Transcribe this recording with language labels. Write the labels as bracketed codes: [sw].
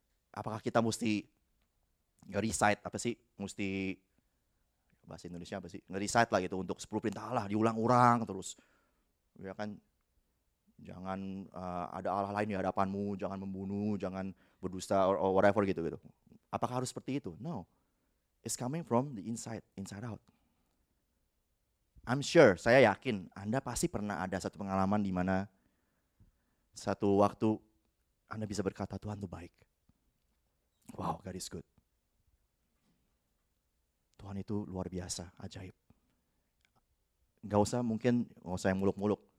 [id] Apakah kita mesti nge-recite, apa sih? Mesti, bahasa Indonesia apa sih? Nge-recite lah gitu untuk 10 perintah Allah, diulang-ulang terus. Ya kan, jangan ada Allah lain di hadapanmu, jangan membunuh, jangan berdusta, [en] or whatever [id] gitu. Apakah harus seperti itu? [en] No. It's coming from the inside out. I'm sure, [id] saya yakin, Anda pasti pernah ada satu pengalaman di mana satu waktu Anda bisa berkata, Tuhan itu baik. [en] Wow, God is good. [id] Tuhan itu luar biasa, ajaib. Gak usah mungkin, gak usah yang muluk-muluk.